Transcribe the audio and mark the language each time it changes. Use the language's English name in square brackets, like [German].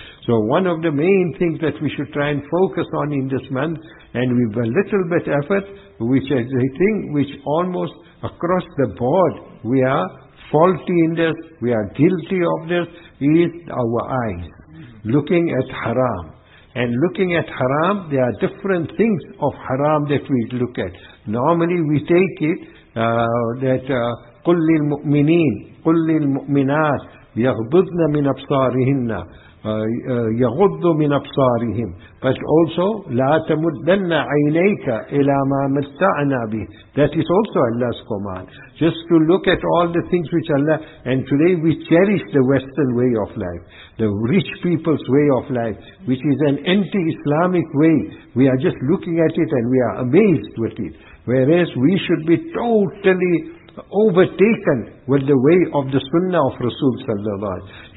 [English] So one of the main things that we should try and focus on in this month, and with a little bit effort, which is a thing which almost across the board, we are faulty in this, we are guilty of this, is our eyes. Looking at haram. And looking at haram, there are different things of haram that we look at. Normally we take it that [Arabic] قُلْ لِلْمُؤْمِنِينَ قُلْ لِلْمُؤْمِنَاتِ يَغْبُضْنَ مِنْ أَبْصَارِهِنَّ يَغُضُّ مِنْ أَبْصَارِهِمْ. [English] But also [Arabic] لَا تَمُدَّنَّ عَيْنَيْكَ إِلَى مَا مَتَّعْنَا بِهِ. [English] That is also Allah's command. Just to look at all the things which Allah, and today we cherish the Western way of life, the rich people's way of life, which is an anti-Islamic way. We are just looking at it and we are amazed with it. Whereas we should be totally overtaken with the way of the Sunnah of Rasul Sallallahu Alaihi Wasallam.